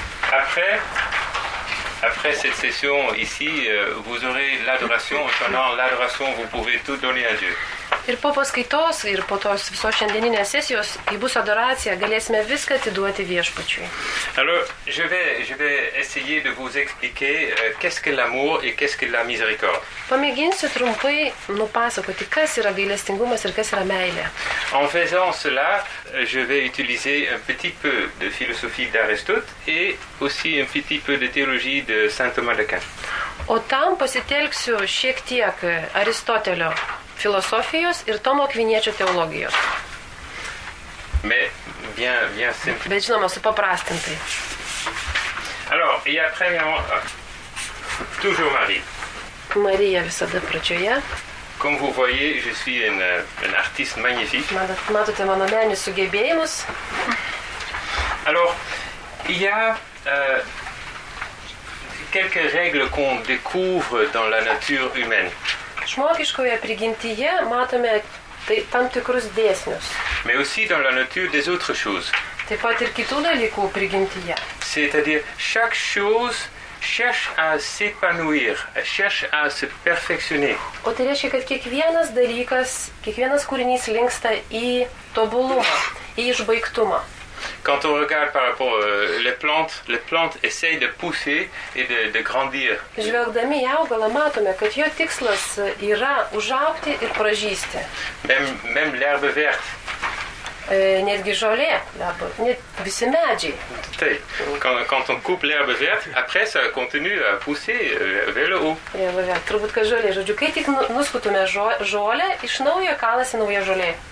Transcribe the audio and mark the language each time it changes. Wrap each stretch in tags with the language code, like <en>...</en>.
<fr>Après cette session ici, vous aurez l'adoration, pendant l'adoration, vous pouvez tout donner à Dieu.</fr> <lt>Ir po paskaitos, ir po tos visos šiandieninės sesijos, kai bus adoracija, galėsime viską atiduoti viešpačiui.</lt> <fr>Alors, je vais essayer de vous expliquer qu'est-ce que l'amour et qu'est-ce que la miséricorde.</fr> <lt>Pamėginsiu trumpai nupasakoti, kas yra gailestingumas ir kas yra meilė.</lt> <fr>En faisant cela, je vais utiliser un petit peu de philosophie d'Aristote et aussi un petit peu de théologie de Saint Thomas d'Aquin.</fr> <lt>O tam pasitelksiu šiek tiek Aristotelio filosofijos ir Tomo Akviniečio teologijos.</lt> <fr>Bien simple.</fr> <lt>Bet žinoma, supaprastintai.</lt> <fr>Alors, il y a premièrement toujours Marie.</fr> <lt>Marija visada pradžioje.</lt> <fr>Comme vous voyez, je suis un artiste magnifique.</fr> <lt>Matote mano meninius sugebėjimus.</lt> <fr>Alors, il y a quelques règles qu'on découvre dans la nature humaine.</fr> <lt>Žmogiškoje prigimtyje matome tam tikrus dėsnius.</lt> <fr>Mais aussi dans la nature des autres choses.</fr> <lt>Taip pat ir kitų dalykų prigimtyje.</lt> <fr>C'est-à-dire, chaque chose cherche à s'épanouir, cherche à se perfectionner.</fr> <lt>O tai reiškia, kad kiekvienas dalykas, kiekvienas kūrinys linksta į tobulumą, į išbaigtumą.</lt> <fr>Quand on regarde par rapport les plantes essayent de pousser et de grandir.</fr> <lt>Žvelgdami į augalą matome, kad jo tikslas yra užaugti ir pražysti.</lt> <fr>Même l'herbe verte.</fr> <lt>Netgi žolė, net visi medžiai.</lt> <fr>Taip, quand on coupe l'herbe verte, après ça continue à pousser vers le haut.</fr> <lt>Turbūt, kad žolė, žodžiu, kai tik nuskutume žolę, iš naujo kalasi nauja žolė.</lt>